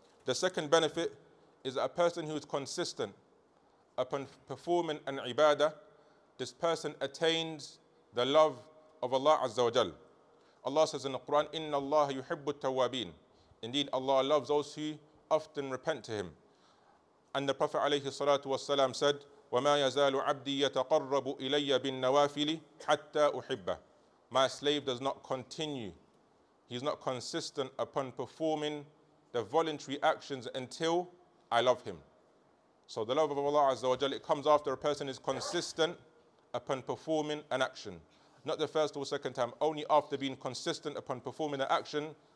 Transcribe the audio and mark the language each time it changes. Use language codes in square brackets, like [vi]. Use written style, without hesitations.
[en] The second benefit is that a person who is consistent upon performing an ibadah, this person attains the love of Allah Azza wa Jal. Allah says in the Quran, [ar] "Inna Allah yuhibbu at-tawwabin." [en] Indeed, Allah loves those who often repent to Him. And the Prophet alayhi salatu wasalam said, [ar] وَمَا يَزَالُ عَبْدِي يَتَقَرَّبُ إِلَيَّ بِالنَّوَافِلِ حَتَّى أُحِبَّهِ. [en] My slave does not continue. He's not consistent upon performing the voluntary actions until I love him. So the love of Allah Azza wa Jal, it comes after a person is consistent upon performing an action. Not the first or second time, only after being consistent upon performing an action.